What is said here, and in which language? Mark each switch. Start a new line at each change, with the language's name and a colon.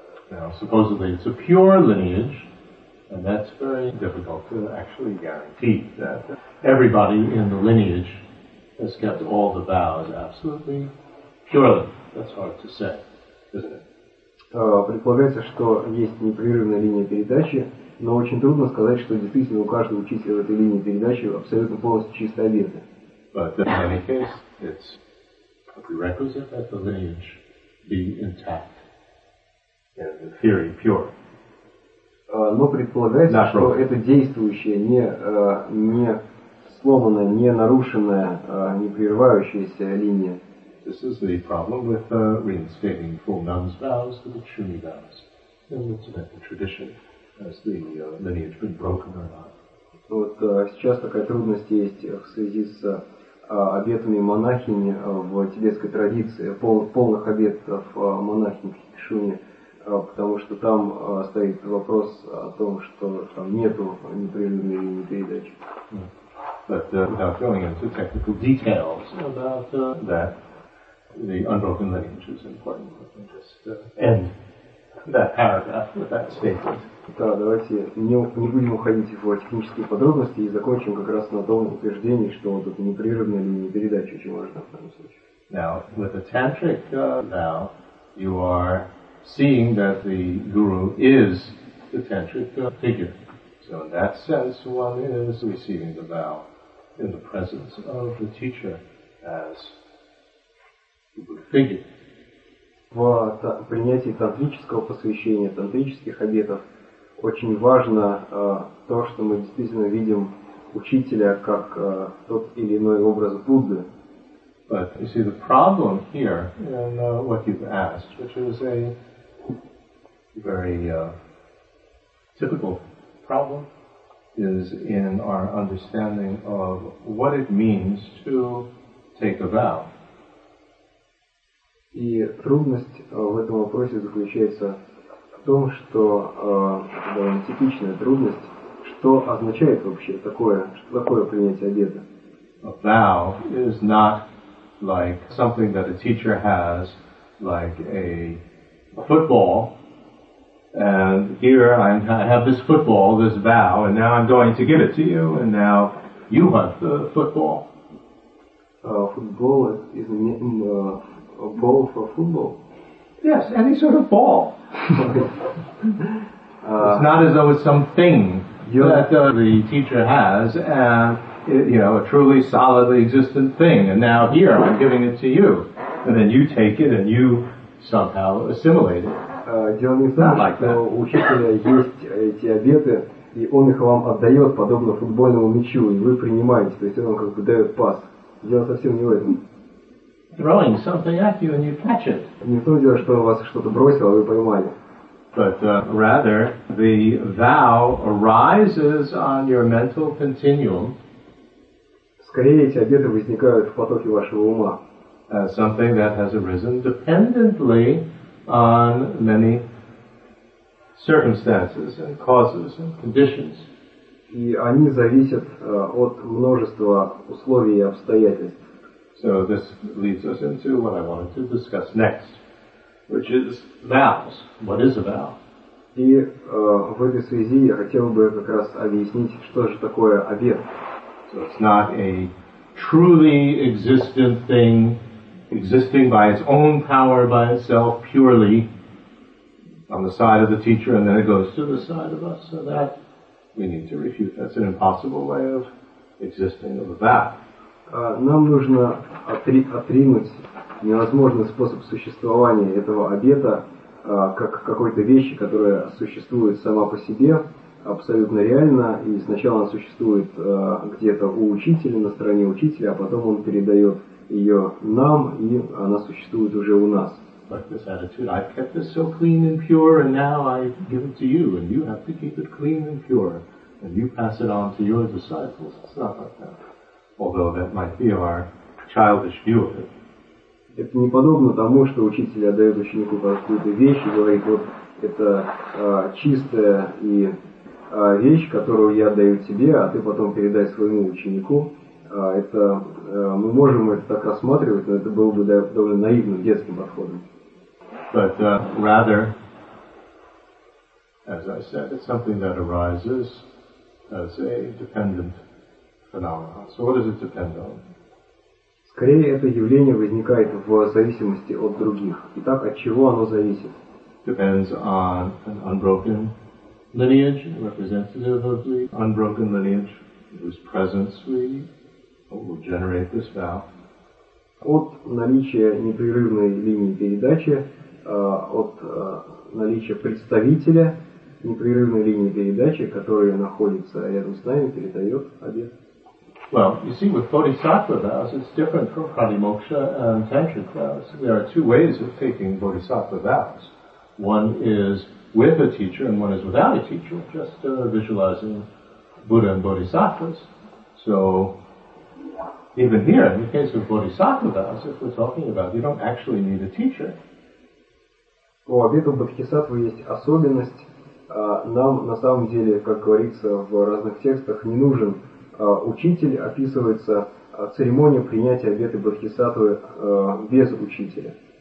English: Now, supposedly it's a pure lineage, and that's very difficult to actually guarantee that everybody in the lineage has kept all the vows absolutely purely. That's hard to say, isn't it?
Russian: Предполагается, что есть непрерывная линия передачи, но очень трудно сказать, что действительно у каждого учителя в этой линии передачи абсолютно полностью чистые обеты.
English: But in any case, it's a prerequisite that the lineage be intact. Yeah, the theory pure.
Russian: Но предполагается,
English: not
Russian: что это действующее, не сломанное, не нарушенное, не прерывающееся линия.
English: This is the problem with reinstating full nuns' vows to the chuni vows. And it's about the tradition, has the lineage been broken or not?
Russian: Вот сейчас такая трудность есть в связи с обетами монахини в тибетской традиции, полных обетов монахинь чуни. Потому что там стоит вопрос о том, что там нету непрерывной линии передачи.
English: But without going into technical details about that, the unbroken lineage is important. Let me just end that paragraph with that statement.
Russian: Да, давайте не будем уходить в технические подробности и закончим как раз на том утверждении, что вот эта непрерывная линия передачи очень важна в данном случае.
English: Now, with a tantric vow, you are seeing that the guru is the tantric figure. So in that sense, one is receiving the vow in the presence of the teacher as the Buddha figure.
Russian: В принятии тантрического посвящения, тантрических обетов, очень важно то, что мы действительно видим учителя как тот или иной образ Будды.
English: But you see the problem here in what you've asked, which is a very typical problem is in our understanding of what it means to take a vow.
Russian: И трудность в этом вопросе заключается в том, что довольно типичная трудность, что означает вообще такое, что такое принятие обета.
English: A vow is not like something that a teacher has, like a football. And here I have this football, this vow, and now I'm going to give it to you, and now you have the football. Football is a ball for football? Yes, any sort of ball. It's not as though it's something that the teacher has, and it, you know, a truly solidly existent thing, and now here I'm giving it to you, and then you take it and you somehow assimilate it.
Russian: Дело не в том, что у учителя есть эти обеты, и он их вам отдает, подобно футбольному мячу, и вы принимаете, то есть он вам как бы дает пас. Дело совсем не в этом.
English: Throwing something at you and you catch it.
Russian: Не в том дело, что он вас что-то бросил, а вы поймали.
English: But rather, the vow arises on your mental continuum.
Russian: Скорее, эти обеты возникают в потоке вашего ума.
English: Something that has arisen dependently on many circumstances and causes and conditions.
Russian: И они зависят от множества условий и обстоятельств.
English: So this leads us into what I wanted to discuss next, which is vows. What is a vow?
Russian: И в этой связи я хотел бы как раз объяснить, что же такое обет.
English: So it's not a truly existent thing, existing by its own power, by itself, purely on the side of the teacher, and then it goes to the side of us, so that we need to refute. That's an impossible way of existing of a vow.
Russian: Нам нужно отринуть невозможный способ существования этого обета как какой-то вещи, которая существует сама по себе, абсолютно реально, и сначала она существует где-то у учителя, на стороне учителя, а потом он передает ее нам, и она существует уже у нас.
English: Like this attitude, I've kept this so clean and pure, and now I give it to you, and you have to keep it clean and pure, and you pass it on to your disciples. It's not like that. Although that might be our childish view of it.
Russian: Это не подобно тому, что учитель отдает ученику какую-то вещь и говорит, вот это чистое и вещь, которую я даю тебе, а ты потом передай своему ученику. Это мы можем это так рассматривать, но это было бы довольно наивным детским подходом.
English: But rather, as I said, it's something that arises as a dependent phenomenon. So what does it depend on?
Russian: Скорее, это явление возникает в зависимости от других. Итак, от чего оно зависит?
English: Depends on an unbroken lineage, representative of the unbroken lineage, whose presence we will generate this vow.
Russian: От наличия непрерывной линии передачи, от наличия представителя непрерывной линии передачи, которая находится рядом с нами, передает обет.
English: Well, you see, with bodhisattva vows, it's different from pratimoksha and tantric vows. There are two ways of taking bodhisattva vows. One is with a teacher, and one is without a teacher, just visualizing Buddha and bodhisattvas. So, even here, in the case of bodhisattva vows, if we're talking about, you don't actually need a teacher.
Russian: У обетов бодхисаттвы есть особенность. Нам, на самом деле, как говорится в разных текстах, не нужен учитель, описывается церемония принятия обета бодхисаттвы без учителя.